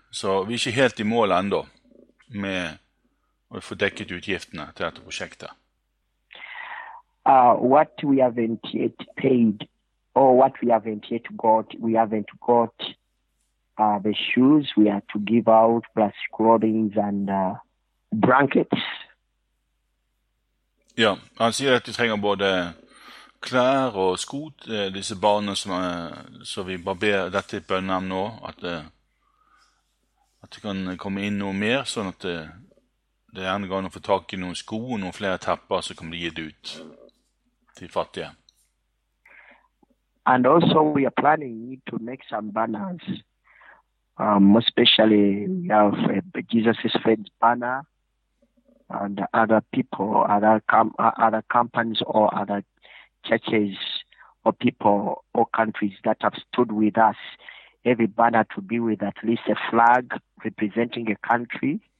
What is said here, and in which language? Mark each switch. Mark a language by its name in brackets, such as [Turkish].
[Norwegian] Så vi ikke helt I mål enda med å få dekket utgiftene til dette prosjektet. [English] What we haven't yet paid, or what we haven't yet got, the shoes we are to give out, plus clothing and blankets. [Norwegian] Ja, han sier at de trenger både klær og sko, disse barna som så vi bare ber dette I bønnen om nå, at det kan komme inn noe mer, sånn at det gjerne går an å få tak I noen sko og noen flere tepper som kan bli gitt ut. [English] And also we are planning to make some banners, especially we have Jesus' Faith banner and other people, other companies or other churches or people or countries that have stood with us. Every banner to be with at least a flag representing a country